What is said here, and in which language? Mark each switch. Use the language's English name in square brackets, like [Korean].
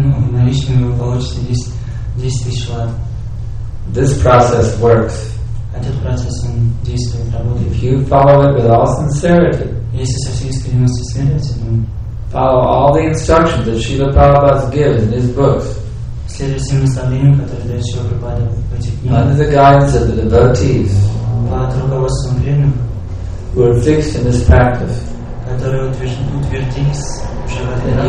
[Russian] Наличными вы получите 10,000 лат. [English] This process works. [Russian] Этот процесс он действует, работает. [English] If you follow it with all sincerity, [Russian] если со всей искренностью следовать этому, [English] follow all the instructions that Srila Prabhupada gives in his books. [Russian] Следуя всем наставлениям, которые дает Шрила Прабхупада в этих книгах. [English] Under the guidance of the devotees. [Russian] Под руководством преданных. [English] Who are fixed in this practice. [Russian] Которые утвердились уже в этой